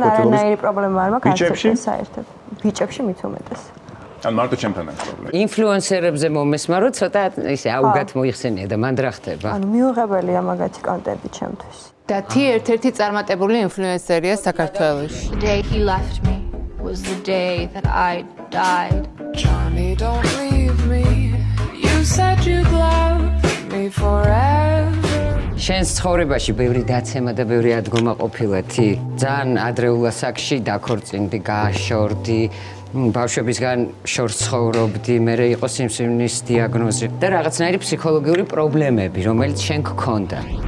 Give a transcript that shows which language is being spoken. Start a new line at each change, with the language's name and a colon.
Georgian: დახვეწილობის ნაირი პრობლემა არ მაქვს ბიჭებში საერთოდ ბიჭებში მითუმეტეს ან მარტო ჩემთანაც პრობლემა. ინფლუენსერებზე მომესმა რომ ცოტა ისე აუგად მოიხსენია და მან რა ხდება? ანუ მიუღებელია მაგათი კონტენტი ჩემთვის. და თი ერთ-ერთი წარმატებული ინფლუენსერია საქართველოში.
English: Day he left me was the day that I died. Johnny don't leave me. You said you'd love me forever.
Georgian: შენს ცხოვრებაში ბევრი დაცემა და ბევრი ადგომა ყოფილა თი. ძალიან ადრეულ ასაკში დაქორწინდი, გააშორდი. ბავშვებისგან შორს ცხოვრობდი, მე იყო სიმსივნის დიაგნოზი და რაღაცნაირი ფსიქოლოგიური პრობლემები, რომელიც შენ გქონდა.